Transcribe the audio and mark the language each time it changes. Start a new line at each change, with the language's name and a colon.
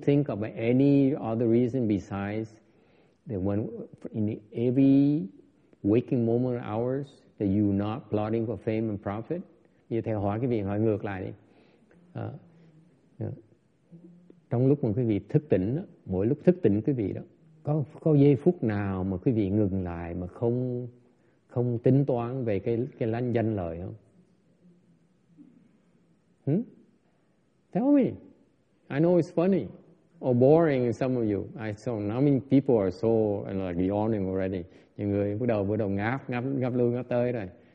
English: think of any other reason besides that when in every waking moment hours that you not plotting for fame and profit?
Vietnamese: Như thầy hỏi quý vị hỏi ngược lại đi. Trong lúc mà quý vị thức tỉnh, mỗi lúc thức tỉnh quý vị đó, có giây phút nào mà quý vị ngừng lại mà không tính toán về cái lanh danh lợi không?
English: Tell me. I know it's funny or boring in some of you. I saw how many people are so and like yawning already.
Vietnamese: Những người bắt đầu ngáp, ngáp lưu, ngáp tới rồi.